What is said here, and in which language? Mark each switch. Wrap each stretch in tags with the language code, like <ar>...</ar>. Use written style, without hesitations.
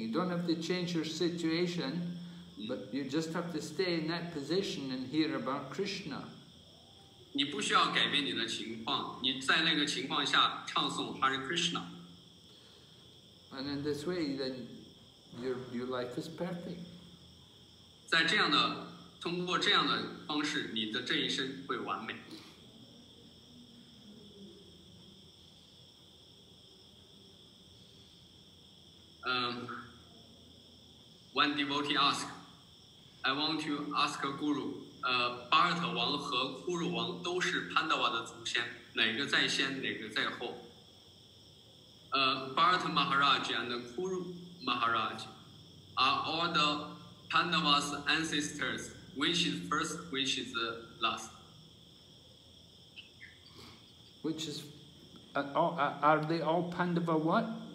<en>You don't have to change your situation, but you just have to stay in that position and hear about Krishna.</en> <zh>你不需要改变你的情况，你在那个情况下唱诵 Hare Krishna。</zh> <en>And in this way, then your life is perfect.</en> <zh>在这样的，通过这样的方式，你的这一生会完美。</zh> <en>One devotee asked, I want to ask a guru.</en> <zh>巴尔特王和库鲁王都是潘达瓦的祖先，哪个在先，哪个在后？</zh> <en>巴尔特 Maharaj and Kuru Maharaj are all the Pandava's ancestors, which is first, which is last? Which is, are they all Pandava what?</en>